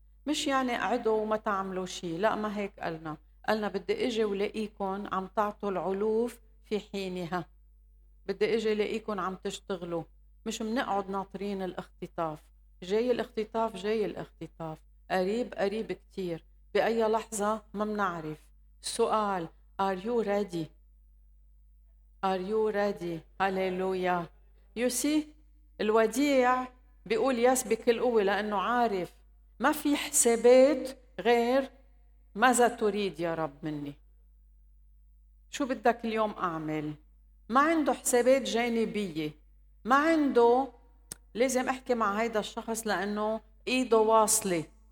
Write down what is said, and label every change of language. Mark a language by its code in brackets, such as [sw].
[ar] مش يعني قعدوا وما تعملوا شيء، لا ما هيك قالنا. قالنا بدي اجي ولاقيكن عم تعطوا العلوف في حينها، بدي اجي لاقيكن عم تشتغلوا، مش منقعد ناطرين الاختطاف. جاي الاختطاف، جاي الاختطاف، قريب قريب كتير، بأي لحظة ما منعرف. سؤال: [en] Are you ready? Are you ready? Hallelujah. You see، [ar] الوديع بيقول يس بكل قوة لأنه عارف ما في حسابات غير ماذا تريد يا رب مني، شو بدك اليوم أعمل. ما عنده حسابات جانبية، ما عنده لازم أحكي مع هيدا الشخص لأنه إيده واصلة.